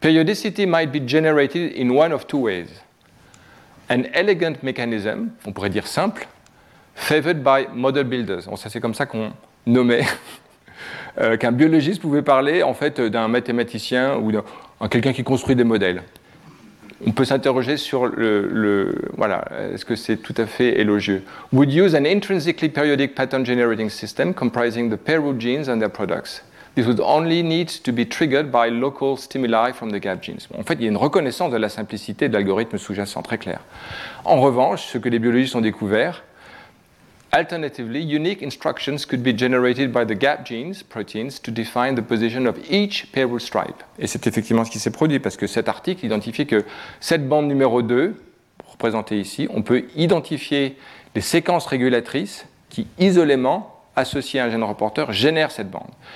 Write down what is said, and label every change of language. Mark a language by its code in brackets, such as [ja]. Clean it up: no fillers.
[en] Periodicity might be generated in one of two ways. An elegant mechanism, [fr] on pourrait dire simple, [en] favored by model builders. [fr] Bon, ça, c'est comme ça qu'on nommait, qu'un biologiste pouvait parler en fait, d'un mathématicien ou d'un quelqu'un qui construit des modèles. On peut s'interroger sur est-ce que c'est tout à fait élogieux. [en] Would use an intrinsically periodic pattern generating system comprising the pair of genes and their products. This would only need to be triggered by local stimuli from the gap genes. [fr] En fait, il y a une reconnaissance de la simplicité de l'algorithme sous-jacent très clair. En revanche, ce que les biologistes ont découvert, [en] alternatively, unique instructions could be generated by the gap genes, proteins, to define the position of each pair of stripe. [fr] Et c'est effectivement ce qui s'est produit, parce que cet article identifie que cette bande numéro 2, représentée ici, on peut identifier les séquences régulatrices qui, isolément, associées à un gène reporter, génèrent cette bande.